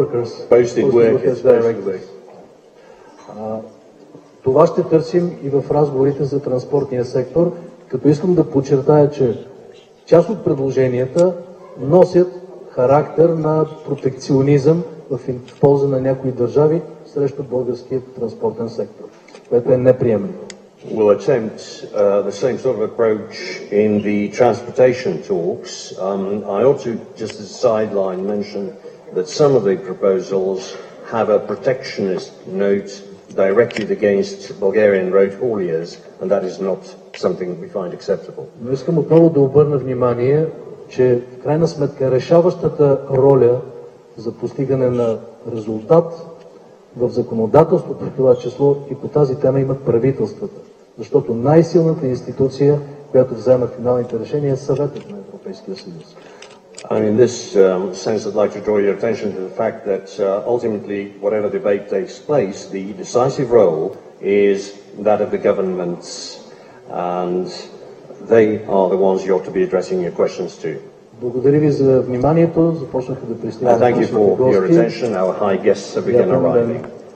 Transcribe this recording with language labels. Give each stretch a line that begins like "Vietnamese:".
English: posted workers directly.
Bulgarian: Това ще търсим и в разговорите за транспортния сектор, като искам да подчертая, че част от предложенията носят характер на протекционизъм в полза на някои държави срещу българския транспортен сектор, което е неприемливо.
English: We'll attempt the same sort of approach in the transportation talks. I ought to just as a sideline mention that some of the proposals have a protectionist note directed against Bulgarian road hauliers, and that is not something we find acceptable.
Bulgarian: Но искам отново да обърна внимание, че в крайна сметка решаващата роля за постигане на резултат в законодателството в това число и по тази тема имат правителствата. Защото най-силната институция, която взема финалните решения, е Съветът на Европейския съюз.
English: I mean, this sense I'd like to draw your attention to the fact that ultimately, whatever debate takes place, the decisive role is that of the governments and they are the ones you ought to be addressing your questions to.
Bulgarian: Благодаря ви за вниманието. Започнаха да пристигат нашите гости.
English: Thank you for your attention. Our high guests have begun arriving.